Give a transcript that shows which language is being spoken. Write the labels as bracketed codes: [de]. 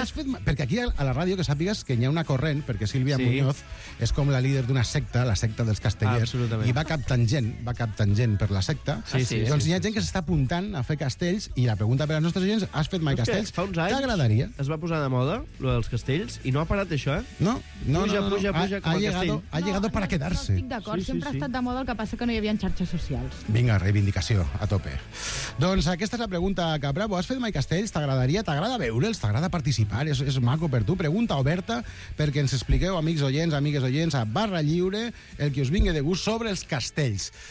[ca] Has fet, perquè aquí a la ràdio, que sàpigues que hi ha una corrent, perquè Sílvia Muñoz és com la líder d'una secta, la secta dels castellers, i va captant gent per la secta. Hi ha gent que s'està apuntant a fer castells, i la pregunta per als nostres oients, has fet mai castells? Fa uns anys t'agradaria? Es va posar de moda, lo dels castells, i no ha parat això, eh? [es] Ha llegado para quedarse. [ca] No estic d'acord, sempre ha estat de moda, el que passa que no hi havia xarxes socials. Vinga, reivindicació, a tope. Doncs aquesta és la pregunta, Cap Bravo, has fet mai castells? T'agradaria? T'agrada veure'ls, t'agrada participar, és maco per tu. Pregunta oberta perquè ens expliqueu, amics oients, amigues oients, a Barra Lliure, el que us vingui de gust sobre els castells.